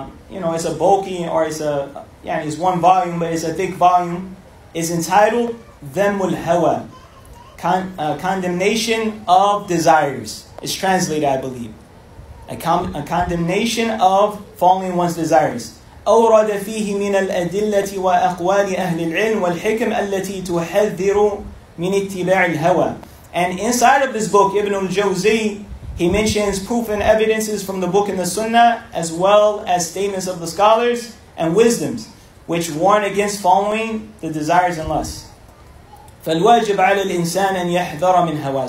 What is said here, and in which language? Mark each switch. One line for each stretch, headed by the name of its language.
English: It's a bulky, or it's one volume, but it's a thick volume. It's entitled Dhammul Hawa, Condemnation of Desires. It's translated, I believe. A condemnation of falling one's desires.
Arabic: أورد فيه من الأدلة وأقوال أهل العلم والحكم التي تحذر من اتباع الهوى.
English: And inside of this book, Ibn al-Jawzi, he mentions proof and evidences from the book in the Sunnah, as well as statements of the scholars and wisdoms, which warn against following the desires and lusts.
Arabic: فَالْوَاجِبْ عَلَى الْإِنسَانِ أَنْ يَحْذَرَ مِنْ هَوَى.